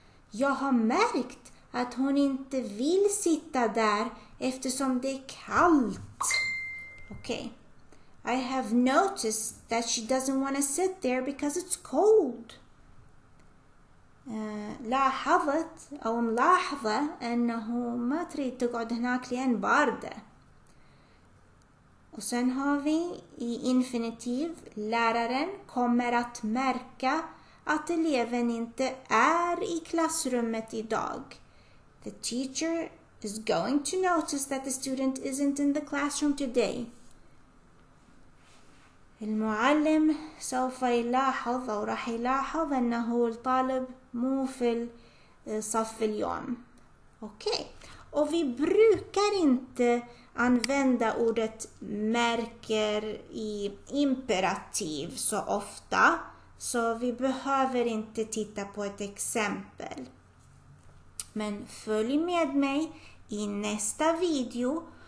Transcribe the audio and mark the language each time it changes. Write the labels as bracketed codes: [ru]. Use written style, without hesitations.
[sv] Jag har märkt att hon inte vill sitta där eftersom det är kallt. Okej. [en] I have noticed that she doesn't want to sit there because it's cold. [ar] لاحظت أو ملاحظة أنه ما تريد تقعد هناك لأن باردة. [sv] Och sen har vi i infinitiv, läraren kommer att märka att eleven inte är i klassrummet idag. [en] The teacher is going to notice that the student isn't in the classroom today. [ar] المعلم سوف يلاحظ أو راح يلاحظ أنه الطالب مو في الصف اليوم. [en] Okay. [sv] Och vi brukar inte använda ordet märker i imperativ så ofta. Så vi behöver inte titta på ett exempel. Men följ med mig i nästa video.